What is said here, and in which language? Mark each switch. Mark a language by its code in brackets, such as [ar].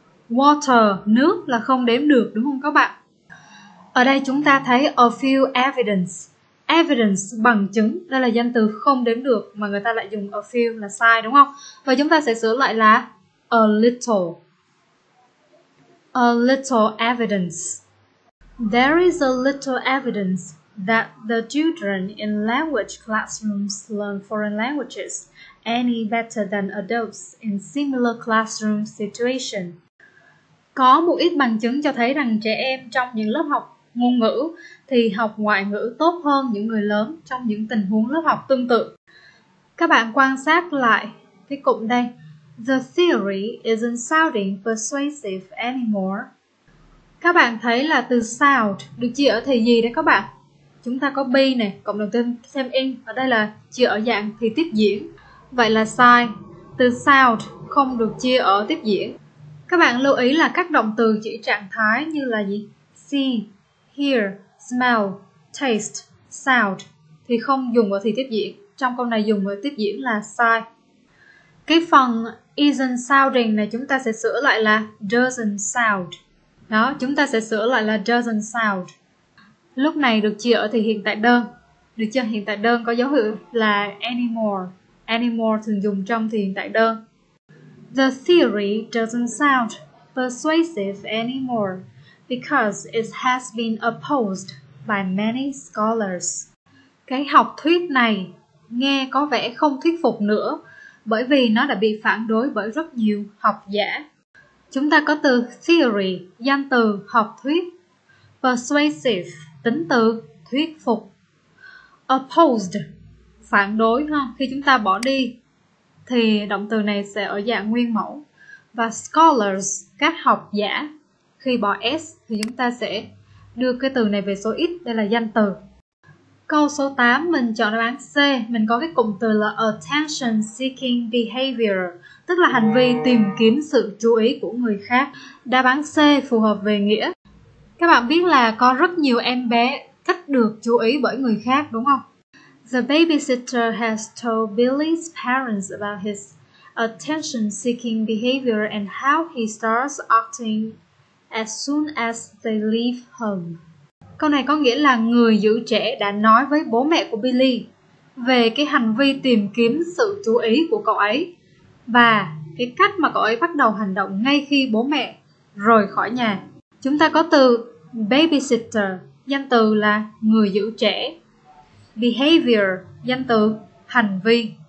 [vi] Water, nước, là không đếm được, đúng không các bạn? Ở đây chúng ta thấy a few evidence. Evidence, bằng chứng, đây là danh từ không đếm được mà người ta lại dùng a few là sai, đúng không? Và chúng ta sẽ sửa lại là a little. [en] A little evidence. There is a little evidence that the children in language classrooms learn foreign languages any better than adults in similar classroom situation. [vi] Có một ít bằng chứng cho thấy rằng trẻ em trong những lớp học ngôn ngữ thì học ngoại ngữ tốt hơn những người lớn trong những tình huống lớp học tương tự. Các bạn quan sát lại cái cụm đây. [en] The theory isn't sounding persuasive anymore. [vi] Các bạn thấy là từ sound được chia ở thì gì đấy các bạn? Chúng ta có be này, cộng đồng tên xem in. Ở đây là chia ở dạng thì tiếp diễn. Vậy là sai. Từ sound không được chia ở tiếp diễn. Các bạn lưu ý là các động từ chỉ trạng thái như là gì? See, hear, smell, taste, sound thì không dùng ở thì tiếp diễn. Trong câu này dùng ở tiếp diễn là sai. Cái phần isn't sounding này chúng ta sẽ sửa lại là doesn't sound. Đó, chúng ta sẽ sửa lại là doesn't sound. Lúc này được chia ở thì hiện tại đơn. Được chưa? Hiện tại đơn có dấu hiệu là anymore. Anymore thường dùng trong thì hiện tại đơn. [en] The theory doesn't sound persuasive anymore because it has been opposed by many scholars. [vi] Cái học thuyết này nghe có vẻ không thuyết phục nữa bởi vì nó đã bị phản đối bởi rất nhiều học giả. Chúng ta có từ theory, danh từ học thuyết. Persuasive, tính từ thuyết phục. Opposed, phản đối ha. Khi chúng ta bỏ đi thì động từ này sẽ ở dạng nguyên mẫu. Và scholars, các học giả. Khi bỏ S thì chúng ta sẽ đưa cái từ này về số ít, đây là danh từ. Câu số 8, mình chọn đáp án C. Mình có cái cụm từ là attention seeking behavior, tức là hành vi tìm kiếm sự chú ý của người khác. Đáp án C phù hợp về nghĩa. Các bạn biết là có rất nhiều em bé thích được chú ý bởi người khác, đúng không? [en] The babysitter has told Billy's parents about his attention-seeking behavior and how he starts acting as soon as they leave home. [vi] Câu này có nghĩa là người giữ trẻ đã nói với bố mẹ của Billy về cái hành vi tìm kiếm sự chú ý của cậu ấy và cái cách mà cậu ấy bắt đầu hành động ngay khi bố mẹ rời khỏi nhà. Chúng ta có từ Babysitter, danh từ là người giữ trẻ. Behavior, danh từ hành vi.